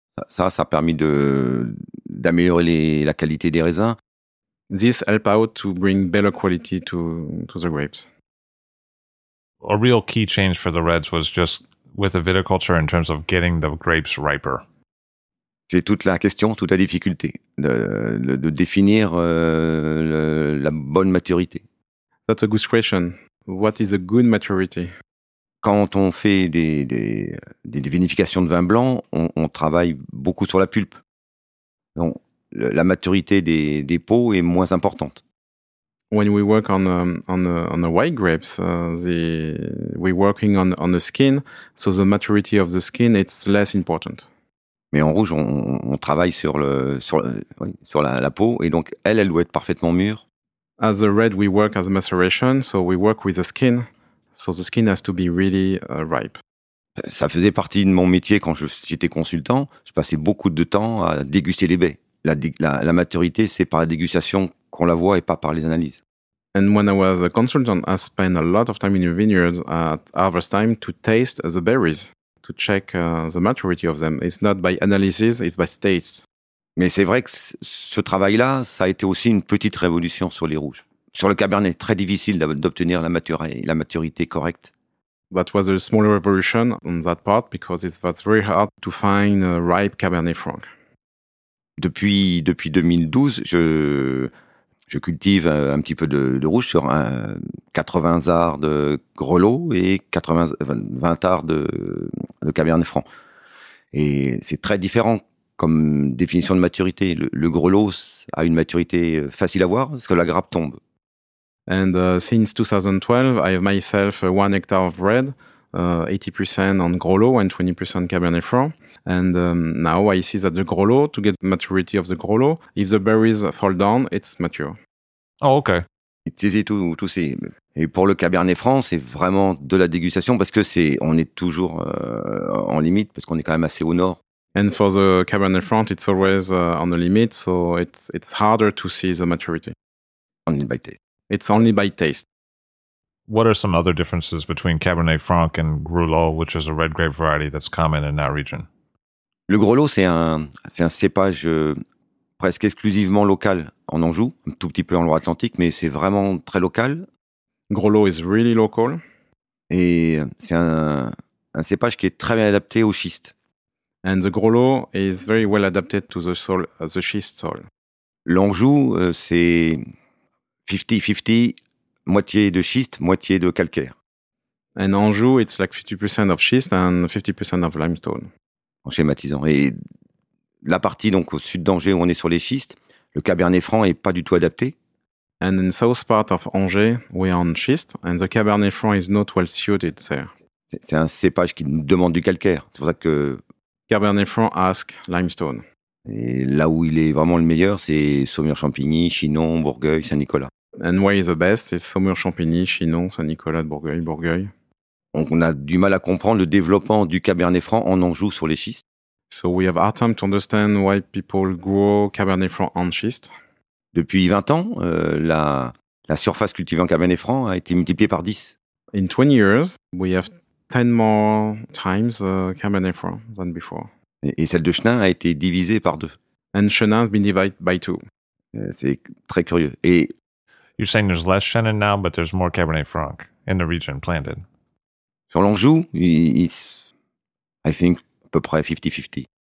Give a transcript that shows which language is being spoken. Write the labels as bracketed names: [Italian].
[French] Ça a permis d'améliorer la qualité des raisins. [English] This helped out to bring better quality to the grapes. A real key change for the Reds was just with the viticulture in terms of getting the grapes riper. [French] C'est toute la question, toute la difficulté de définir la bonne maturité. [English] That's a good question. What is a good maturity? [French] Quand on fait des vinifications de vin blanc, on travaille beaucoup sur la pulpe. Donc, la maturité des peaux est moins importante. [English] When we work on the white grapes, we're working on the skin, so the maturity of the skin it's less important. [French] Mais en rouge, on travaille sur la peau et donc elle doit être parfaitement mûre. [English] As the red, we work as a maceration, so we work with the skin, so the skin has to be really ripe. [French] Ça faisait partie de mon métier quand j'étais consultant. Je passais beaucoup de temps à déguster les baies. La maturité, c'est par la dégustation qu'on la voit et pas par les analyses. [English] And when I was a consultant, I spent a lot of time in the vineyards at harvest time to taste the berries, to check the maturity of them. It's not by analysis, it's by taste. [French] Mais c'est vrai que ce travail-là, ça a été aussi une petite révolution sur les rouges. Sur le Cabernet, très difficile d'obtenir la maturité correcte. [English] That was a small revolution on that part because it was very hard to find a ripe Cabernet Franc. [French] Depuis 2012, je cultive un petit peu de rouge sur 80 arts de grelot et 20 arts de Cabernet Franc. Et c'est très différent comme définition de maturité. Le grelot a une maturité facile à voir parce que la grappe tombe. [English] And since 2012, I have myself 1 hectare of red, 80% on grelot and 20% Cabernet Franc. And now I see that the grelot, to get the maturity of the grelot, if the berries fall down, it's mature. Oh, okay. It's easy to see. [French] Et pour le Cabernet Franc, c'est vraiment de la dégustation parce que on est toujours en limite parce qu'on est quand même assez au nord. [English] And for the Cabernet Franc, it's always on the limit, so it's harder to see the maturity. Only by taste. It's only by taste. What are some other differences between Cabernet Franc and Grelot, which is a red grape variety that's common in that region? [French] Le Grelot, c'est un cépage presque exclusivement local en Anjou, un tout petit peu en Loire-Atlantique, mais c'est vraiment très local. [English] Grelot is really local. [French] Et c'est un cépage qui est très bien adapté au schiste. [English] And the Grelot is very well adapted to the soil, the schiste soil. [French] L'Anjou, c'est 50-50, moitié de schiste, moitié de calcaire. [English] And Anjou, it's like 50% of schiste and 50% of limestone. [French] En schématisant. Et la partie donc au sud d'Angers où on est sur les schistes, le Cabernet Franc n'est pas du tout adapté. [English] And in the south part of Angers, we are on schiste, and the Cabernet Franc is not well suited there. [French] C'est un cépage qui demande du calcaire. C'est pour ça que... [English] Cabernet Franc asks limestone. [French] Et là où il est vraiment le meilleur, c'est Saumur-Champigny, Chinon, Bourgueil, Saint-Nicolas. [English] And where is the best? It's Saumur-Champigny, Chinon, Saint-Nicolas, Bourgueil, Bourgueil. [French] On a du mal à comprendre le développement du Cabernet Franc en Anjou sur les schistes. [English] So we have hard time to understand why people grow Cabernet Franc on schiste. [French] Depuis 20 ans, la surface cultivée en Cabernet Franc a été multipliée par 10. [English] In 20 years, we have 10 more times Cabernet Franc than before. [French] Et celle de Chenin a été divisée par 2. [English] And Chenin has been divided by 2. [French] C'est très curieux. Et [English] you're saying there's less Chenin now, but there's more Cabernet Franc in the region planted. [French] Sur l'Anjou, [English] it's, I think, [French] à peu près 50-50.